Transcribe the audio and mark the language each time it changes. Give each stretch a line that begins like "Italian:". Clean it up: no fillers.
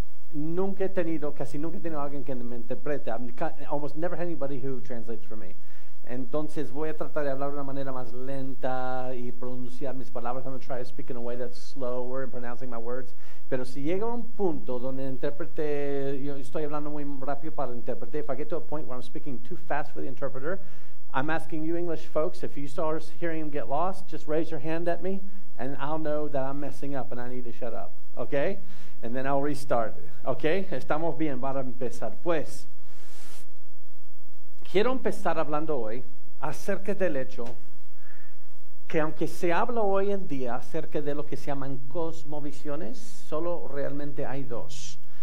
Spanish: Casi nunca he tenido alguien que me interprete.
English: Almost never had anybody who translates for me.
Spanish: Entonces voy a tratar de hablar de una manera más lenta y pronunciar mis palabras.
English: I'm going to try to speak in a way that's slower and pronouncing my words.
Spanish: Pero si llega un punto donde el intérprete, yo estoy hablando muy rápido para el intérprete.
English: If I get to a point where I'm speaking too fast for the interpreter, I'm asking you English folks, if you start hearing him get lost, just raise your hand at me and I'll know that I'm messing up and I need to shut up. Okay? And then I'll restart. Okay?
Spanish: Estamos bien, para empezar. Pues, quiero empezar hablando hoy acerca del hecho que aunque se habla hoy en día acerca de lo que se llaman cosmovisiones, solo realmente hay dos.